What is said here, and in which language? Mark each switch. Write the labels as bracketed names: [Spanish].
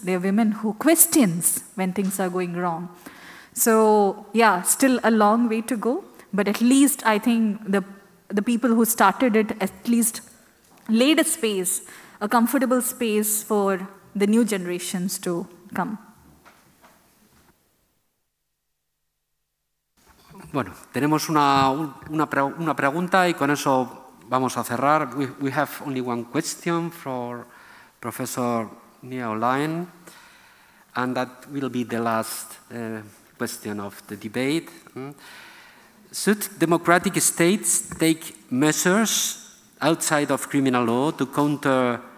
[English] They are women who questions when things are going wrong. So yeah, still a long way to go. But at least I think the people who started it at least laid a space, a comfortable space for the new generations to come. [Spanish] Bueno, tenemos una pregunta y con eso vamos a cerrar. [English] We have only one question for Professor Nia O'Lyon, and that will be the last question of the debate. Should democratic states take measures outside of criminal law to counter